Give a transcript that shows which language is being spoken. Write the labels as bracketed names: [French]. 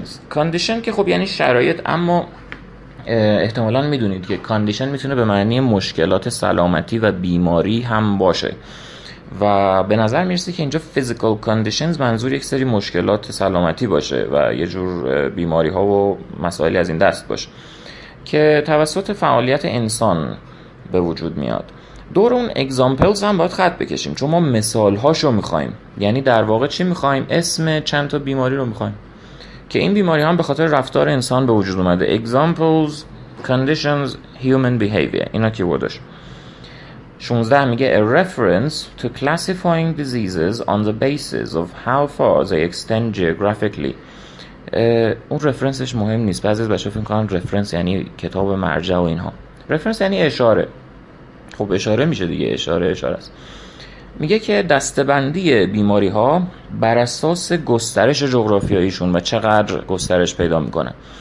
[Persian] condition که خب یعنی شرایط، اما احتمالاً میدونید که condition میتونه به معنی مشکلات سلامتی و بیماری هم باشه و به نظر میرسه که اینجا physical conditions منظور یک سری مشکلات سلامتی باشه و یه جور بیماری ها و مسائلی از این دست باشه که توسط فعالیت انسان به وجود میاد. دور اون examples هم باید خط بکشیم چون ما مثال هاشو میخواییم، یعنی در واقع چی میخواییم؟ اسم چند تا بیماری رو میخواییم که این بیماری هم به خاطر رفتار انسان به وجود اومده. [English] examples, conditions, human behavior، [Persian] اینا کیورداش. [English] 16 [Persian] میگه [English] a reference to classifying diseases on the basis of how far they extend geographically. [Persian] اون رفرنسش مهم نیست، بعضی از بچه ها فکر میکنن رفرنس یعنی کتاب مرجع و اینها. رفرنس یعنی اشاره. خب اشاره میشه دیگه، اشاره است. میگه که دستبندی بیماری ها بر اساس گسترش جغرافیاییشون و چقدر گسترش پیدا میکنه.